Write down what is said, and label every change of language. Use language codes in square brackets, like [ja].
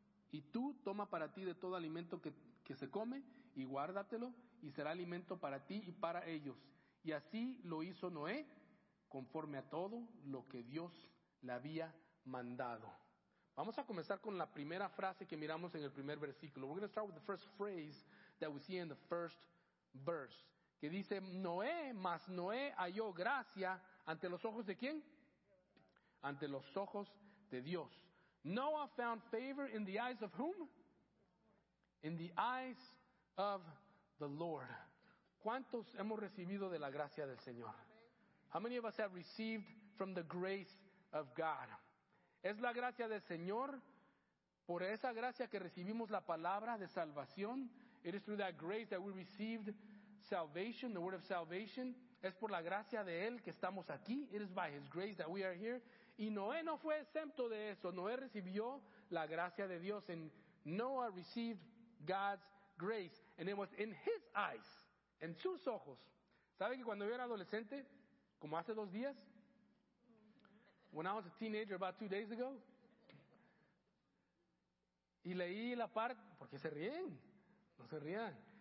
[es] Y tú toma para ti de todo alimento que se come y guárdatelo, y será alimento para ti y para ellos. Y así lo hizo Noé, conforme a todo lo que Dios le había mandado. Vamos a comenzar con la primera frase que miramos en el primer versículo. [en] We're going to start with the first phrase that we see in the first verse. [es] Que dice, Noé, mas Noé halló gracia ante los ojos de quién? Ante los ojos de Dios. [en] Noah found favor in the eyes of whom? In the eyes of the Lord. [es] ¿Cuántos hemos recibido de la gracia del Señor? [en] How many of us have received from the grace of God? [es] Es la gracia del Señor, por esa gracia que recibimos la palabra de salvación. [en] It is through that grace that we received salvation, the word of salvation. [es] Es por la gracia de Él que estamos aquí. [en] It is by His grace that we are here. [es] Y Noé no fue exento de eso. Noé recibió la gracia de Dios. [en] And Noah received God's grace. And it was in his eyes, [es] en sus ojos. ¿Sabe que cuando yo era adolescente, como hace dos días? [en] When I was a teenager about 2 days ago. [es] Y leí la parte, ¿por qué se ríen? No se rían.